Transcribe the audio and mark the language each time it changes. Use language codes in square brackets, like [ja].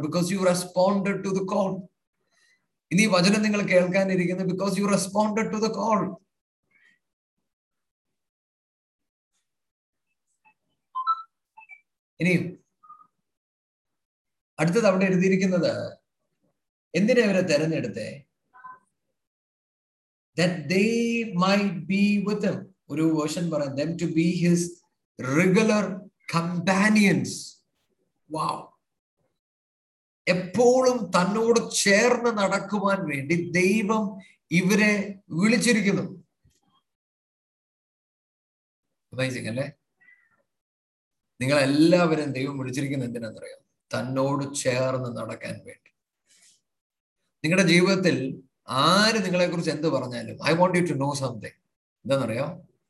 [en] Because you responded to the call. [ml] ഇനി ഈ വചനം നിങ്ങൾ കേൾക്കാനിരിക്കുന്നു [en] Because you responded to the call. [ml] ഇനിയും അടുത്തത് അവിടെ എഴുതിയിരിക്കുന്നത് എന്തിനാ അവരെ തെരഞ്ഞെടുത്തേ? [en] that they might be with him. Uru version para them to be his regular companions. Wow. [ml] എപ്പോഴും തന്നോട് ചേർന്ന് നടക്കുവാൻ വേണ്ടി ദൈവം ഇവരെ വിളിച്ചിരിക്കുന്നു. Amazing, അല്ലേ? നിങ്ങൾ എല്ലാവരും ദൈവം വിളിച്ചിരിക്കുന്നത് എന്തിനാന്നറിയാം? തന്നോട് ചേർന്ന് നടക്കാൻ വേണ്ടി. നിങ്ങളുടെ ജീവിതത്തിൽ ആര് നിങ്ങളെ കുറിച്ച് എന്ത് പറഞ്ഞാലും [en] I want you to know something. [ml] എന്താണെന്നറിയോ?